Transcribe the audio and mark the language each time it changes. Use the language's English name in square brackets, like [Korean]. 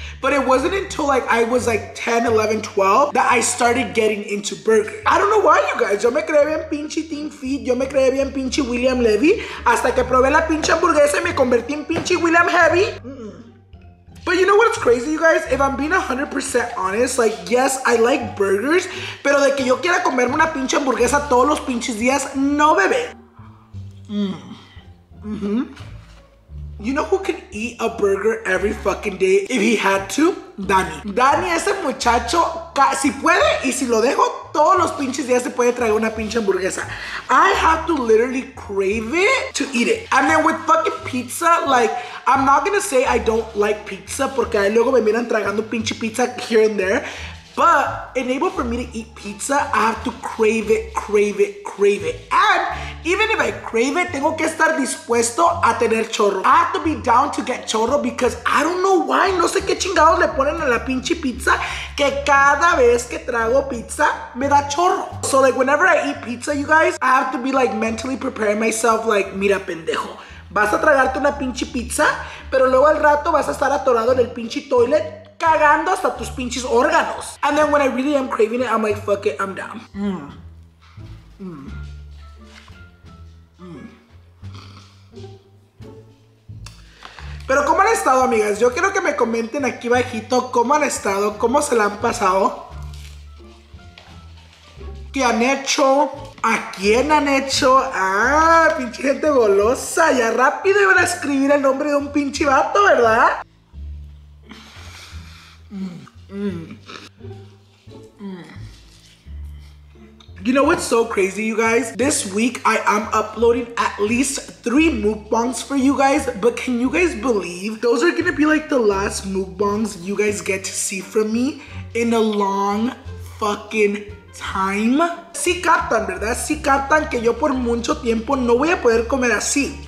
[English] But it wasn't until like I was like 10, 11, 12 that I started getting into burgers. I don't know why, you guys. [Spanish] Yo me creé bien pinche Team Feed. Yo me creé bien pinche William Levy. Hasta que probé la pinche hamburguesa y me convertí en pinche William Heavy. [English] But you know what's crazy, you guys? If I'm being 100% honest, like, yes, I like burgers. [Spanish] Pero de que yo quiera comerme una pinche hamburguesa todos los pinches días, no, bebé. [English] You know who can eat a burger every fucking day if he had to? Dani. [Spanish] Dani, ese muchacho, si puede y si lo dejo, todos los pinches días se puede traer una pinche hamburguesa. [English] I have to literally crave it to eat it. And then with fucking pizza, like, I'm not gonna say I don't like pizza [Spanish] porque ahí luego me miran tragando pinche pizza [English] here and there. But in order for me to eat pizza, I have to crave it, crave it, crave it. And even if I crave it, [Spanish] tengo que estar dispuesto a tener chorro. [English] I have to be down to get chorro because I don't know why. [Spanish] No sé qué chingados le ponen a la pinche pizza que cada vez que trago pizza me da chorro. [English] So like whenever I eat pizza, you guys, I have to be like mentally preparing myself like, [Spanish] mira, pendejo. Vas a tragarte una pinche pizza, pero luego al rato vas a estar atorado en el pinche toilet cagando hasta tus pinches órganos. [English] And then when I really am craving it, I'm like, fuck it, I'm down. [Spanish] Pero ¿cómo han estado, amigas? Yo quiero que me comenten aquí bajito cómo han estado, cómo se la han pasado. ¿Qué han hecho? ¿A quién han hecho? ¡Ah, pinche gente golosa! Ya rápido iban a escribir el nombre de un pinche vato, ¿verdad? [English] You know what's so crazy, you guys? This week, I am uploading at least 3 mukbangs for you guys. But can you guys believe those are gonna be like the last mukbangs you guys get to see from me in a long fucking time? [Spanish] Si captan, ¿verdad? Si captan que yo por mucho tiempo no voy a poder comer así.